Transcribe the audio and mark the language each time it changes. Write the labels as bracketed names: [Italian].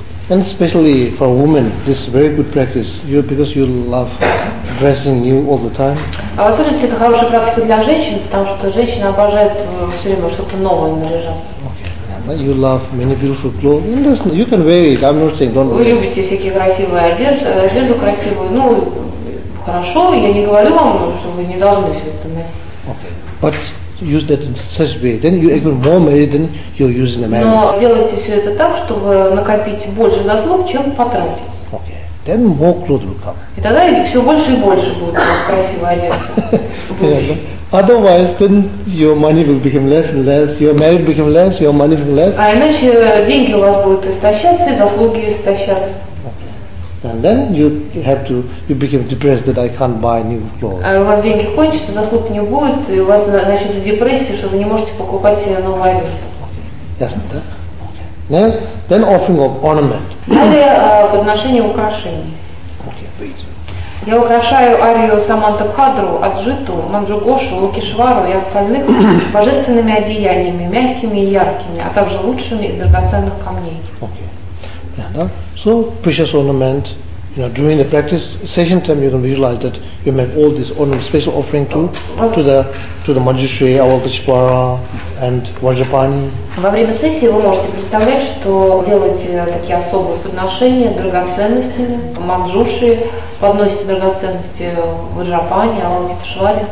[English] And especially for women, this is very good practice. You, because you love dressing new all the time. [Russian] А в особенности это хорошая практика для женщин, потому что женщина обожает все время что-то новое наряжаться. [English] But you love many beautiful clothes. You can wear it. I'm not saying don't wear it. [Russian] Вы любите всякие красивые одежду красивую. Ну, хорошо. Я не говорю вам, что вы не должны все это носить. [English] Okay. But use that in such way. Then you even more merit than you're using the merit. [Russian] Но делайте все это так, чтобы накопить больше заслуг, чем потратить. [English] Okay. Then more clothes will come. [Russian] И тогда все больше и больше будет красивой одежды. [English] Otherwise, then your money will become less and less. Your merit become less. Your money become less. [Russian] А иначе деньги у вас будут истощаться, заслуги истощаться. [English] Okay. And then you become depressed that I can't buy new clothes. [Russian] А у вас деньги кончатся, заслуг не будет, и у вас начнется депрессия, что вы не можете покупать себе новую одежду. [English] Yes, да. Okay. Then offering of ornament. [Russian] Далее подношение украшений. [English] Okay, wait. [Russian] Я украшаю арию Самантабхадру, Аджиту, Манджугошу, Лукишвару и остальных божественными одеяниями, мягкими и яркими, а также лучшими из драгоценных камней. [English] Okay. Yeah, no? So precious ornament, you know, during the practice session time you're going to realize that you make all this ornament special offering to the Manjushri, Avalokiteshvara and Vajrapani. [Russian] Во время сессии вы можете представлять, что делаете такие особые подношения драгоценностями, Манджуши, подносите драгоценности Ваджрапани, Авалокитешваре,